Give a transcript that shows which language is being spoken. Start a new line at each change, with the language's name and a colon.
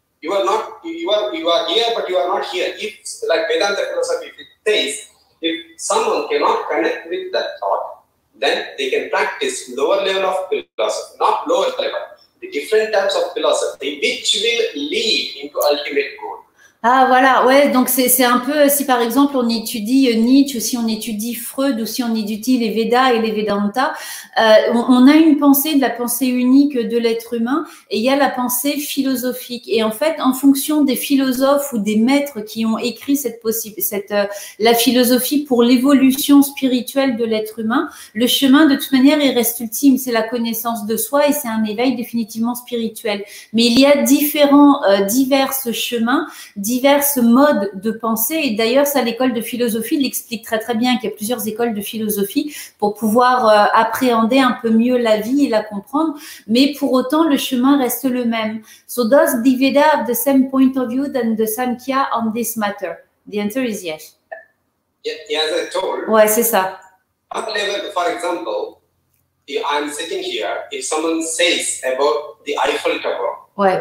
English: You are here, but you are not here. If, like Vedanta philosophy, if someone cannot connect with that thought, then they can practice lower level of philosophy, not lower level, the different types of philosophy, which will lead into ultimate goal.
French: Ah, voilà, ouais, donc c'est un peu, si par exemple on étudie Nietzsche ou si on étudie Freud ou si on étudie les Védas et les Vedanta, on a une pensée, de la pensée unique de l'être humain, et il y a la pensée philosophique. Et en fait, en fonction des philosophes ou des maîtres qui ont écrit la philosophie pour l'évolution spirituelle de l'être humain, le chemin de toute manière il reste ultime, c'est la connaissance de soi et c'est un éveil définitivement spirituel. Mais il y a diverses chemins, divers modes de pensée, et d'ailleurs ça l'école de philosophie l'explique très très bien, qu'il y a plusieurs écoles de philosophie pour pouvoir appréhender un peu mieux la vie et la comprendre, mais pour autant le chemin reste le même.
English: So does the Veda have the same point of view than the Samkhya on this matter? The answer is yes. Yeah, as I told.
French: Ouais, c'est ça.
English: Level, for example, I'm sitting here, if someone says about the Eiffel Tower,
French: ouais.